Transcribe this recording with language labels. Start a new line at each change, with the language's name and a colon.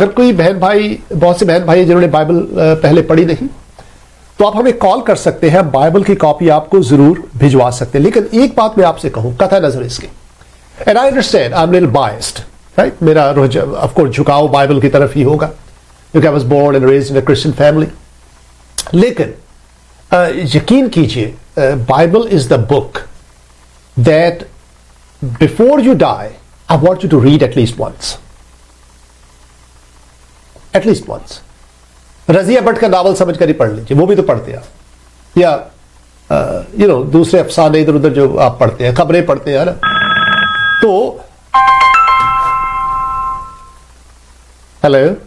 Hindi: अगर कोई बहन भाई, बहुत से बहन भाई जिन्होंने बाइबल पहले पढ़ी नहीं, तो आप हमें कॉल कर सकते हैं, बाइबल की कॉपी आपको जरूर भिजवा सकते हैं। लेकिन एक बात मैं आपसे कहूं, कथा नजर इसकी,
English: and I understand I am little biased,
Hindi: right, मेरा ऑफकोर्स झुकाव बाइबल की तरफ ही होगा, क्योंकि
English: I was born and raised in a Christian family.
Hindi: लेकिन यकीन कीजिए,
English: Bible is the book that before you die, I want you to read at least once. At least once.
Hindi: Razia Bhatt का नावल समझ कर ही पढ़ लीजिए, वो भी तो पढ़ते हैं, या
English: you know,
Hindi: दूसरे अफसाने इधर उधर जो आप पढ़ते हैं, खबरें पढ़ते हैं ना, तो हेलो